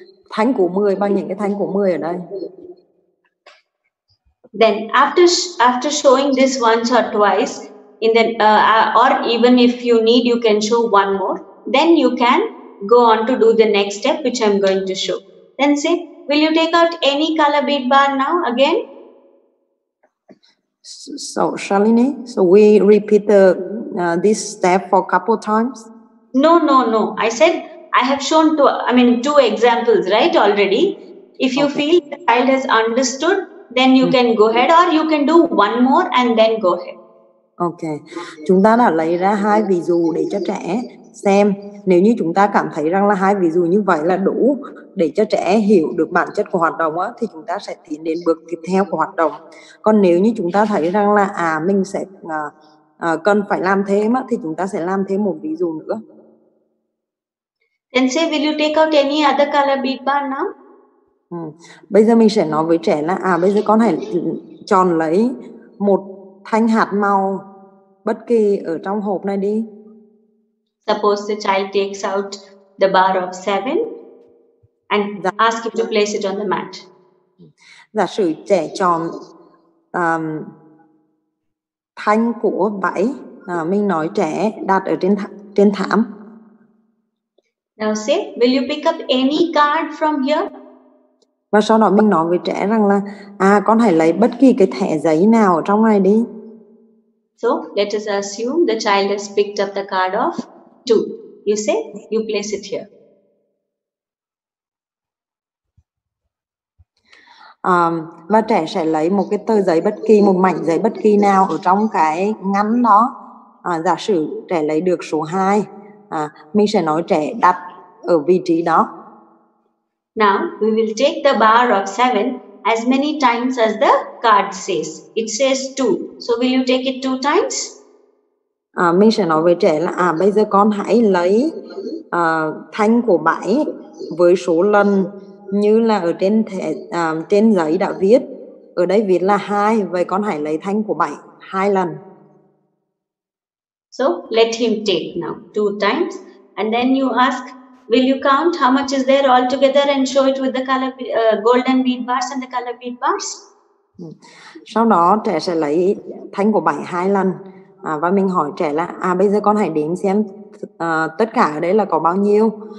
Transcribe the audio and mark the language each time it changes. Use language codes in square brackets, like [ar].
[vi] Thanh của 10 bằng những cái thanh của 10 ở đây. [en] Then after showing this once or twice in the or even if you need you can show one more, then you can go on to do the next step which I'm going to show. Then say, will you take out any color bead bar now again? So Shalini, so we repeat this step for a couple times? No. I said I have shown two examples, right, already. If you feel the child has understood, then you can go ahead, or you can do one more and then go ahead. Okay. [vi] Chúng ta đã lấy ra hai ví dụ để cho trẻ xem. Nếu như chúng ta cảm thấy rằng là hai ví dụ như vậy là đủ để cho trẻ hiểu được bản chất của hoạt động á, thì chúng ta sẽ tiến đến bước tiếp theo của hoạt động. Còn nếu như chúng ta thấy rằng là mình sẽ cần phải làm thêm á, thì chúng ta sẽ làm thêm một ví dụ nữa. [en] Then say, will you take out any other color bead bar now? [vi] Bây giờ mình sẽ nói với trẻ là bây giờ con hãy chọn lấy một thanh hạt màu bất kỳ ở trong hộp này đi. [en] Suppose the child takes out the bar of 7 and ask him to place it on the mat. [vi] Giả sử trẻ chọn thanh của 7, mình nói trẻ đặt ở trên thảm. [en] Now say, will you pick up any card from here? [vi] Và sau đó mình nói với trẻ rằng là con hãy lấy bất kỳ cái thẻ giấy nào ở trong này đi. [en] So, let us assume the child has picked up the card of 2. You say, you place it here. [vi] Và trẻ sẽ lấy một cái tờ giấy bất kỳ, một mảnh giấy bất kỳ nào ở trong cái ngăn đó. Giả sử trẻ lấy được số 2, mình sẽ nói trẻ đặt ở vị trí đó. [en] Now, we will take the bar of 7 as many times as the card says. It says 2. So, will you take it 2 times? [vi] Mình sẽ nói với trẻ là bây giờ con hãy lấy thanh của 7 với số lần như là ở trên giấy đã viết ở đây viết là 2, vậy con hãy lấy thanh của 7 2 lần. [en] So let him take now 2 times and then you ask, will you count how much is there all together and show it with the color golden bead bars and the color bead bars? [vi] Sau đó trẻ sẽ lấy thanh của 7 2 lần và mình hỏi trẻ là bây giờ con hãy đếm xem tất cả ở đây là có bao nhiêu.